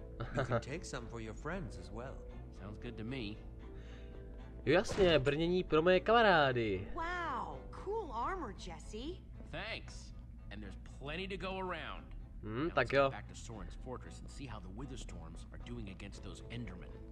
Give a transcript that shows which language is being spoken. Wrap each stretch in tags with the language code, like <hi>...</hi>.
<en>You can take some for your friends as well. Sounds good to me.</en> <cs>Jo, jasně, brnění pro moje kamarády.</cs> <en>Wow, cool armor, Jesse. Thanks. And there's plenty to go around.</en> <cs>Hmm, tak jo.</cs> <en>Back to Soren's fortress and see how the Witherstorms are doing against those Endermen.</en>